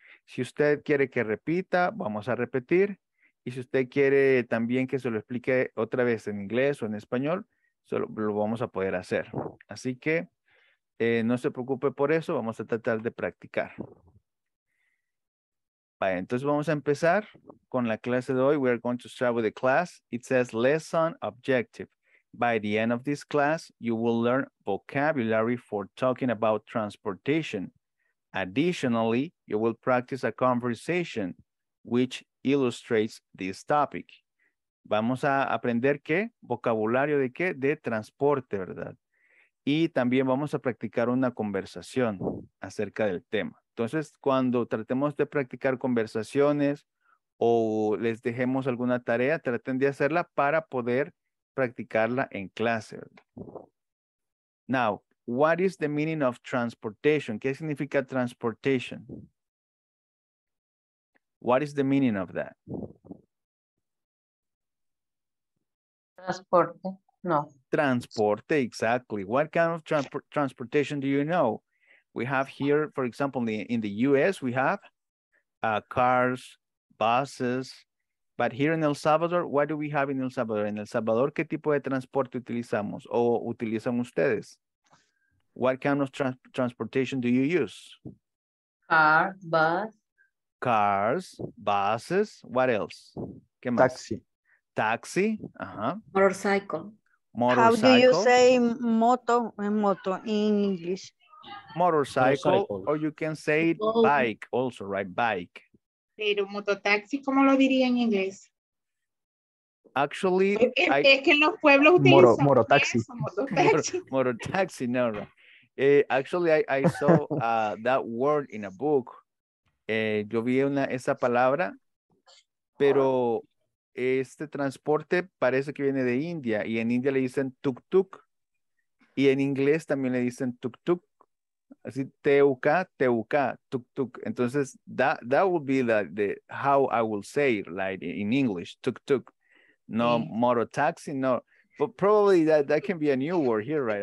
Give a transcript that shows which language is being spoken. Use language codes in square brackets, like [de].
[es] Si usted quiere que repita, vamos a repetir. Y si usted quiere también que se lo explique otra vez en inglés o en español, lo vamos a poder hacer. Así que no se preocupe por eso, vamos a tratar de practicar. Vale, entonces vamos a empezar con la clase de hoy. [en] We are going to start with the class. It says lesson objective. By the end of this class, you will learn vocabulary for talking about transportation. Additionally, you will practice a conversation which illustrates this topic. [es] Vamos a aprender qué, vocabulario de qué, de transporte, ¿verdad? Y también vamos a practicar una conversación acerca del tema. Entonces, cuando tratemos de practicar conversaciones o les dejemos alguna tarea, traten de hacerla para poder practicarla en clase. [en] Now, what is the meaning of transportation? [es] ¿Qué significa transportation? [en] What is the meaning of that? [es] Transporte. No. [en] Transporte, exactly. What kind of transportation do you know? We have here, for example, in the U.S., we have cars, buses. But here in El Salvador, what do we have in El Salvador? [es] In El Salvador, ¿qué tipo de transporte utilizamos o utilizan ustedes? [en] What kind of transportation do you use? Cars, buses. What else? [es] ¿Qué más? Taxi. Taxi, uh-huh. [en] Motorcycle. How do you say [es] moto en moto [en] in English? Motorcycle, or you can say bike also, right? Bike. [es] Pero mototaxi, ¿cómo lo diría en inglés? [en] Actually, [es] es que en los pueblos utilizan mototaxi. Mototaxi, no. [en] Actually, I saw that word in a book. [es] Yo vi esa palabra, pero este transporte parece que viene de India, y en India le dicen tuk-tuk, y en inglés también le dicen tuk-tuk, así T-U-K, tuk-tuk. [en] Entonces, that would be the how I will say it, like in English, tuk-tuk, no sí. Moto taxi, no, but probably that can be a new word here, right?